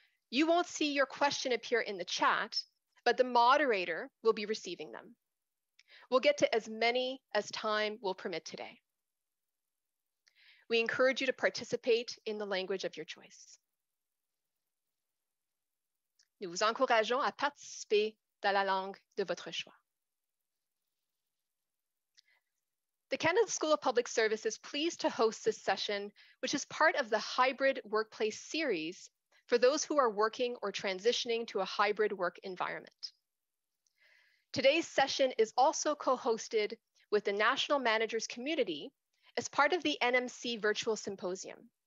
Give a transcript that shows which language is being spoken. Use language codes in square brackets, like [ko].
[en] You won't see your question appear in the chat, but the moderator will be receiving them. We'll get to as many as time will permit today. We encourage you to participate in the language of your choice. [fr] Nous vous encourageons à participer dans la langue de votre choix. [en] The Canada School of Public Service is pleased to host this session, which is part of the hybrid workplace series for those who are working or transitioning to a hybrid work environment. Today's session is also co-hosted with the National Managers Community as part of the NMC Virtual Symposium.